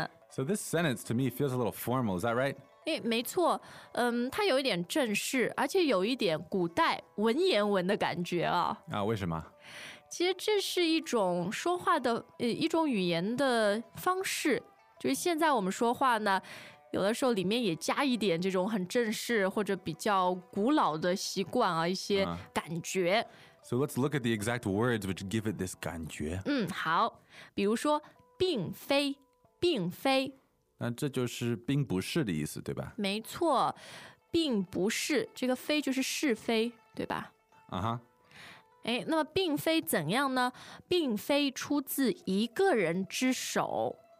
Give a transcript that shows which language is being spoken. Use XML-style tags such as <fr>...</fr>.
<en>So this sentence to me feels a little formal, is that right?</en> <zh>诶，没错，嗯，它有一点正式，而且有一点古代文言文的感觉啊。啊，为什么？其实这是一种说话的，一种语言的方式，就是现在我们说话呢，有的时候里面也加一点这种很正式或者比较古老的习惯啊，一些感觉。</zh> <en>So let's look at the exact words which give it this</en> <zh>感觉。嗯，好，比如说并非，并非。那这就是并不是的意思，对吧？没错，并不是，这个非就是是非，对吧？啊哈。哎，那么并非怎样呢？并非出自一个人之手。</zh>